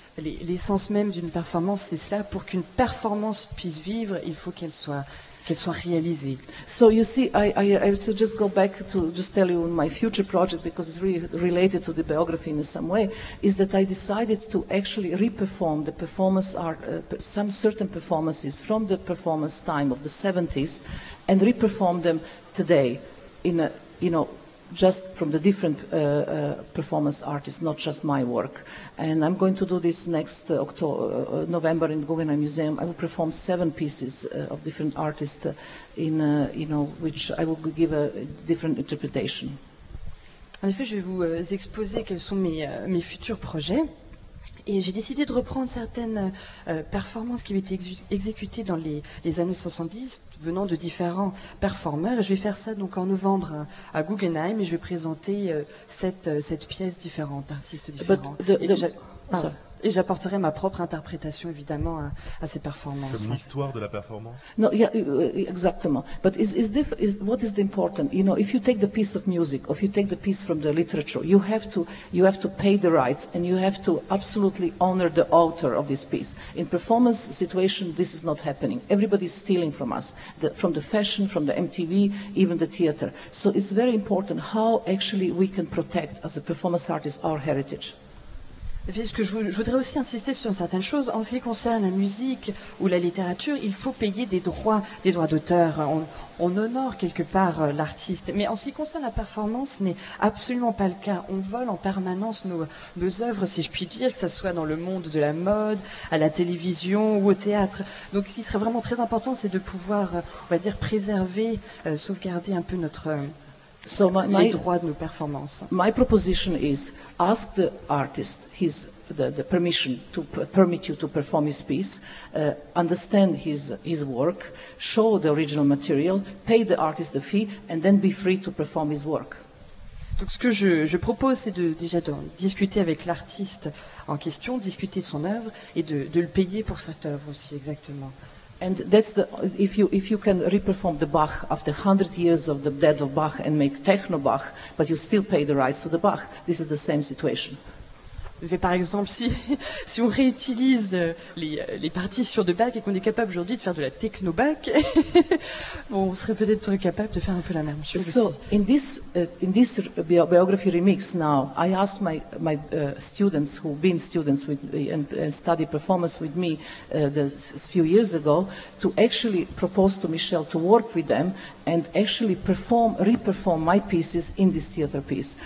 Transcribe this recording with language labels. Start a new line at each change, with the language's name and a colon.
French: L'essence même d'une performance, c'est cela. Pour qu'une performance puisse vivre, il faut qu'elle soit réalisée.
English: So you see, I have to just go back to just tell you my future project, because it's really related to the biography in some way, is that I decided to actually re-perform the performance art, some certain performances from the performance time of the 70s, and re-perform them today, in a, you know, just from the different performance artists, not just my work. And I'm going to do this next November in Guggenheim Museum. I will perform 7 pieces of different artists which I will give a different interpretation.
French: En effet, je vais vous exposer quels sont mes futurs projets. Et j'ai décidé de reprendre certaines performances qui avaient été exécutées dans les années 70, venant de différents performeurs. Et je vais faire ça donc en novembre à Guggenheim, et je vais présenter cette pièce différente, artistes différents. Et j'apporterai ma propre interprétation, évidemment, à ces performances. Comme l'histoire de la performance.
English: No, yeah,
French: exactement.
English: But is what is the important? You know, if you take the piece of music, or if you take the piece from the literature, you have to pay the rights, and you have to absolutely honor the author of this piece. In performance situation, this is not happening. Everybody is stealing from us, from the fashion, from the MTV, even the theater. So it's very important how actually we can protect as a performance artist our heritage.
French: Puisque je voudrais aussi insister sur certaines choses, en ce qui concerne la musique ou la littérature, il faut payer des droits d'auteur. On honore quelque part l'artiste. Mais en ce qui concerne la performance, ce n'est absolument pas le cas. On vole en permanence nos œuvres, si je puis dire, que ce soit dans le monde de la mode, à la télévision ou au théâtre. Donc ce qui serait vraiment très important, c'est de pouvoir, on va dire, préserver, sauvegarder un peu notre...
English: So my
French: droits de nos performances.
English: My proposition is ask the artist the permission to permit you to perform his piece, understand his work, show the original material, pay the artist the fee, and then be free to perform his work.
French: Donc ce que je propose, c'est de discuter avec l'artiste en question, discuter de son œuvre et de le payer pour cette œuvre aussi exactement.
English: And that's the if you can reperform the Bach after 100 years of the death of Bach and make techno Bach, but you still pay the rights to the Bach. This is the same situation.
French: Mais par exemple, si on réutilise les partitions de Bach et qu'on est capable aujourd'hui de faire de la techno Bach, bon, on serait peut-être plus capable de faire un peu la même chose.
English: So in this biography remix now, I asked my students who've been students with and study performance with me a few years ago to actually propose to Michel to work with them and actually reperform my pieces in this theater piece.